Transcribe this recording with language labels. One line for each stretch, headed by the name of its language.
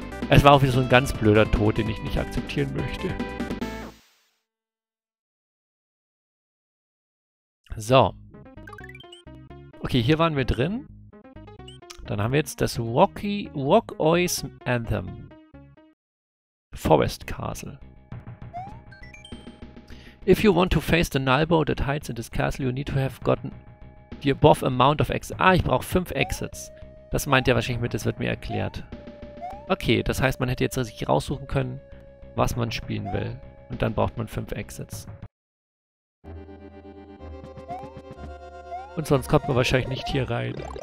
German: Es war auch wieder so ein ganz blöder Tod, den ich nicht akzeptieren möchte. So. Okay, hier waren wir drin. Dann haben wir jetzt das Walk-Oys Anthem. Forest Castle.
English: If you want to face the Nalbo that hides in this castle, you need to have gotten the above amount of exits.
German: Ah, ich brauche 5 Exits. Das meint ihr wahrscheinlich mit, das wird mir erklärt. Okay, das heißt, man hätte jetzt sich raussuchen können, was man spielen will. Und dann braucht man 5 Exits. Und sonst kommt man wahrscheinlich nicht hier rein.